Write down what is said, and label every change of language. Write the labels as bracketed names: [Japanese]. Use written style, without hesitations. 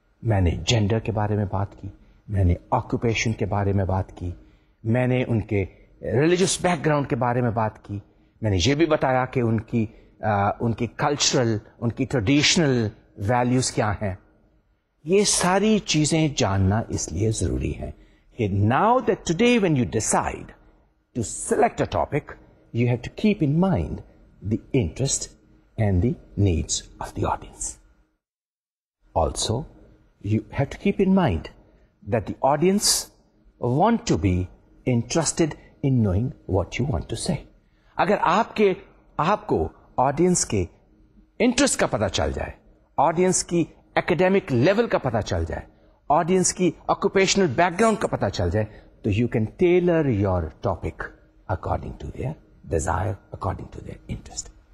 [Urdu] میں نے جینڈر کے بارے میں بات کی, میں نے آکوپیشن کے بارے میں بات کی, میں نے ان کے ریلیجیس بیک گراؤنڈ کے بارے میں بات کی, میں نے یہ بھی بتایا کہ ان کی کلچرل, ان کی ٹریڈیشنل ویلیوز کیا ہیں. یہ ساری چیزیں جاننا اس لیے ضروری ہیں کہ [English] Now that today when you decide to select a topic you have to keep in mind the interest and the needs of the audience. Also, you have to keep in mind that the audience want to be interested in knowing what you want to say. [Urdu] اگر آپ کے آپ کو audience کے interest کا پتہ چل جائے, آڈینس کی اکیڈیمک لیول کا پتہ چل جائے, آڈینس کی آکوپیشنل بیک گراؤنڈ کا پتہ چل جائے, تو [English] You can tailor your topic according to their desire, according to their interest.